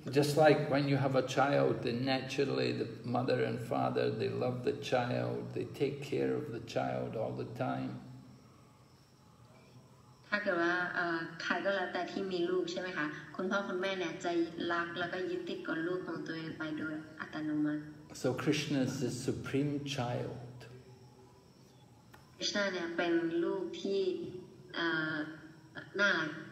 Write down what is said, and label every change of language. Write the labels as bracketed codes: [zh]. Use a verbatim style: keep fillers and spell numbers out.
[en] Just like when you have a child, then naturally the mother and father they love the child, they take care of the child all the time. [th] ถ้าเกิดว่าเอ่อใครก็แล้วแต่ที่มีลูกใช่ไหมคะคุณพ่อคุณแม่เนี่ยจะรักแล้วก็ยึดติดกับลูกของตัวเองไปโดยอัตโนมัติ [en] So Krishna is the supreme child. [th] คริสต์เนี่ยเป็นลูกที่Uh, nah.